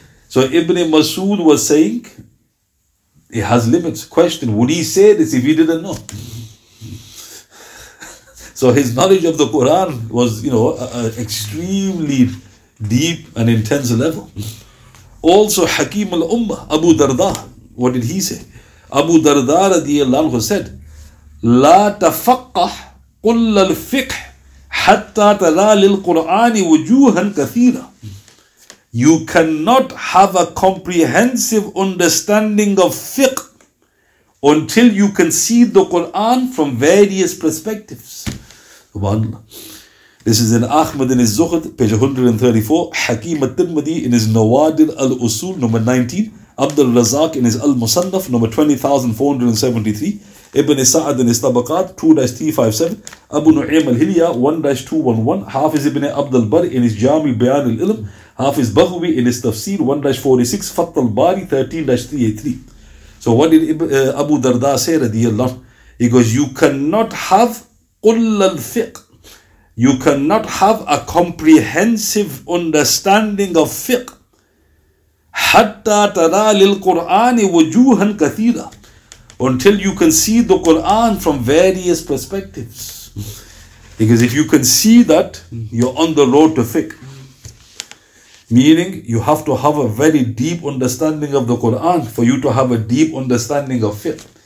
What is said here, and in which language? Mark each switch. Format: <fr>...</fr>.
<en>So Ibn Masood was saying, it has limits. Question, would he say this if he didn't know? So his knowledge of the Quran was, you know, an extremely deep and intense level. Also, Hakim al-Ummah, Abu Darda, what did he say? Abu Darda radiallahu anhu said,</en> <ar>لا تفقه قل الفقه حتى ترى للقرآن وجوها كثيرة.</ar> <en>You cannot have a comprehensive understanding of fiqh until you can see the Quran from various perspectives. This is in Ahmad in his Zuhd, page 134, Hakim al-Tirmidhi in his Nawadir al-Usul, number 19, Abdul Razak in his Al-Musannaf, number 20,473, Ibn Sa'ad in his Tabaqat, 2-357, Abu Nu'aym al-Hilya, 1-211, Hafiz ibn Abdul Bar in his Jami Bayan al-Ilm, Hafiz Baghwi in his Tafsir, 1-46, Fath al-Bari, 13-383. So what did Abu Darda say, radiyallahu anhu? He goes, you cannot have</en> <ar>قُلَّ الْفِقْ.</ar> <en>You cannot have a comprehensive understanding of fiqh.</en> <ar>حَتَّى تَرَى لِلْقُرْآنِ وَجُوهًا كَثِيرًا.</ar> <en>Until you can see the Qur'an from various perspectives. Because if you can see that, you're on the road to fiqh. Meaning, you have to have a very deep understanding of the Qur'an for you to have a deep understanding of fiqh.</en>